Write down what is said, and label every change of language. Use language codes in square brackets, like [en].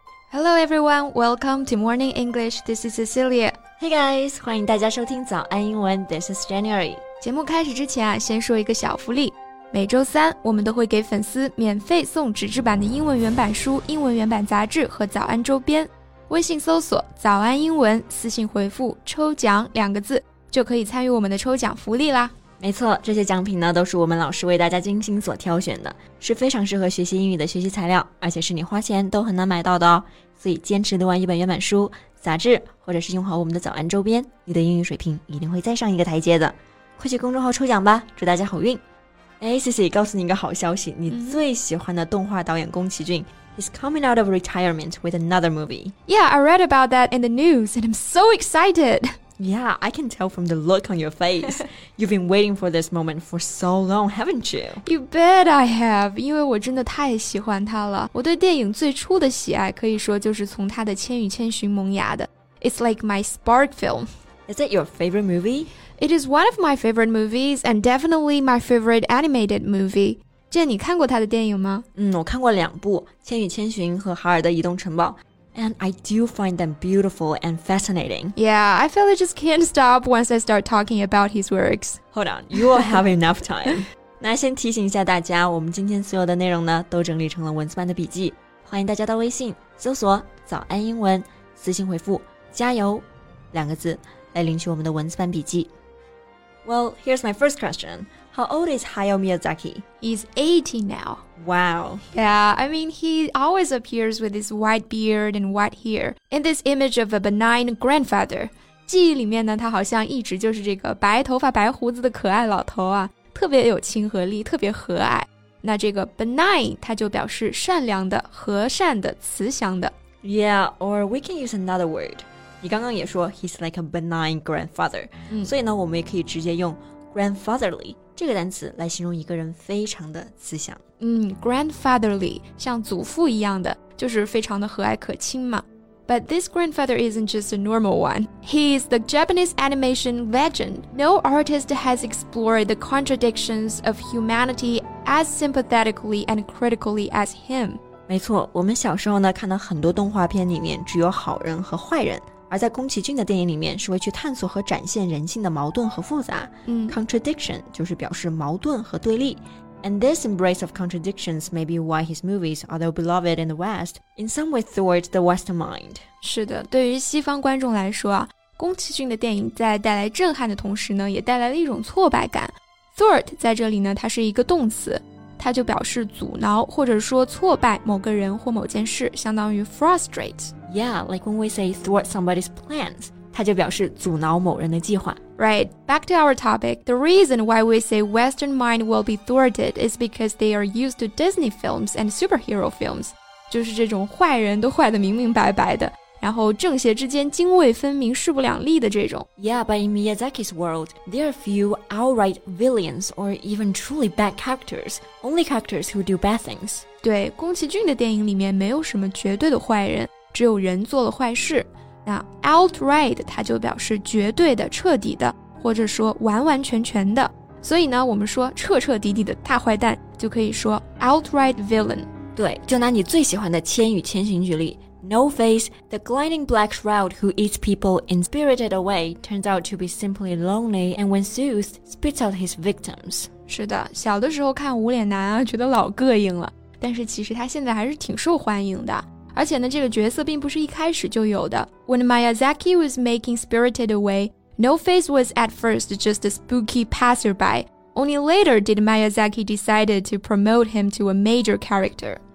[en] Hello everyone, welcome to Morning English, this is Cecilia. Hey guys, [zh] 欢迎大家收听早安英文 [en] this is January. [zh] 节目开始之前啊，先说一个小福利。每周三我们都会给粉丝免费送纸质版的英文原版书、英文原版杂志和早安周边。微信搜索早安英文，私信回复抽奖两个字，就可以参与我们的抽奖福利啦。没错，这些奖品呢都是我们老师为大家精心所挑选的，是非常适合学习英语的学习材料，而且是你花钱都很难买到的哦。所以坚持读完一本原版书、杂志，或者是用好我们的早安周边，你的英语水平一定会再上一个台阶的。快去公众号抽奖吧，祝大家好运。哎，谢谢，告诉你一个好消息，你最喜欢的动画导演宫崎骏 [en] He's coming out of retirement with another movie. Yeah, I read about that in the news and I'm so excited. Yeah, I can tell from the look on your face. You've been waiting for this moment for so long, haven't you? You bet I have, [zh] 因为我真的太喜欢他了。我对电影最初的喜爱可以说就是从他的《千与千寻》萌芽的。 [en] It's like my spark film. Is it your favorite movie? It is one of my favorite movies and definitely my favorite animated movie. [zh] Jen, 你看过他的电影吗？我看过两部，《千与千寻》和《哈尔的移动城堡》。 [en] And I do find them beautiful and fascinating. Yeah, I feel I just can't stop once I start talking about his works. Hold on, you will have enough time. [zh] 那先提醒一下大家，我们今天所有的内容呢，都整理成了文字版的笔记。欢迎大家到微信搜索“早安英文”，私信回复“加油”两个字，来领取我们的文字版笔记。 [en] Well, here's my first question. How old is Hayao Miyazaki? He's 18 now. Wow. Yeah, I mean, he always appears with his white beard and white hair in this image of a benign grandfather. [zh] 记忆里面呢，他好像一直就是这个白头发白胡子的可爱老头啊，特别有亲和力，特别和蔼。那这个 benign, 它就表示善良的、和善的、慈祥的。 [en] Yeah, or we can use another word. [zh] 你刚刚也说 [en] he's like a benign grandfather, [zh] 所以呢我们也可以直接用 grandfatherly 这个单词来形容一个人非常的慈祥。 Grandfatherly, 像祖父一样的，就是非常的和蔼可亲嘛。 [en] But this grandfather isn't just a normal one. He is the Japanese animation legend. No artist has explored the contradictions of humanity as sympathetically and critically as him. [zh] 没错，我们小时候呢看到很多动画片里面只有好人和坏人。而在宫崎骏的电影里面是会去探索和展现人性的矛盾和复杂。 Contradiction 就是表示矛盾和对立。 [en] And this embrace of contradictions may be why his movies, although beloved in the West, in some way thwart the Western mind. [zh] 是的，对于西方观众来说，宫崎骏的电影在带来震撼的同时呢，也带来了一种挫败感。 Thwart 在这里呢，它是一个动词，它就表示阻挠或者说挫败某个人或某件事，相当于 frustrate。 [en] Yeah, like when we say thwart somebody's plans, [zh] 它就表示阻挠某人的计划。 [en] Right, back to our topic. The reason why we say Western mind will be thwarted is because they are used to Disney films and superhero films. [zh] 就是这种坏人都坏得明明白白的，然后正邪之间泾渭分明、势不两立的这种。 [en] Yeah, but in Miyazaki's world, there are few outright villains or even truly bad characters. Only characters who do bad things. [zh] 对，宫崎骏的电影里面没有什么绝对的坏人。只有人做了坏事，那 outright 它就表示绝对的、彻底的，或者说完完全全的。所以呢，我们说彻彻底底的大坏蛋，就可以说 outright villain。对，就拿你最喜欢的《千与千寻》举例 [en] ，No Face, the gliding black shroud who eats people in Spirited Away, turns out to be simply lonely, and when soothed, spits out his victims。 [zh] 是的，小的时候看无脸男啊，觉得老膈应了，但是其实他现在还是挺受欢迎的。而且呢，这个角色并不是一开始就有的。 [en] When Miyazaki was making Spirited Away, No Face was at first just a spooky passerby. Only later did Miyazaki decided to promote him to a major character.